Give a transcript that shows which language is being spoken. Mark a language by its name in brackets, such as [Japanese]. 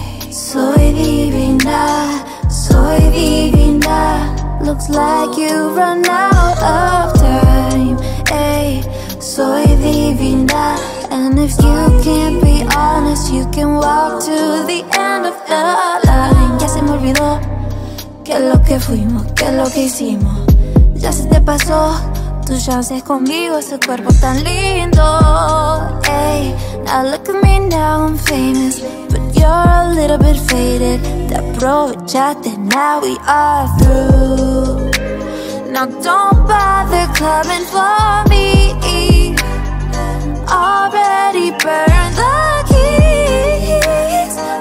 [Spanish] Soy divina, soy divina. [English] Looks like you run out of time. [Spanish] Ay, soy divina. [English] And if you can't be honest, you can walk to the end of the line. [Spanish] Ya se me olvidó que lo que fuimos, que lo que hicimos. Ya se te pasó tus chances conmigo, ese cuerpo tan lindo. [English] Ay, now look at me, now I'm famous. But you're a little bit faded. [Spanish] Te aprovechaste, [English] now we are through. Now don't bother coming for me. Already burned the keys.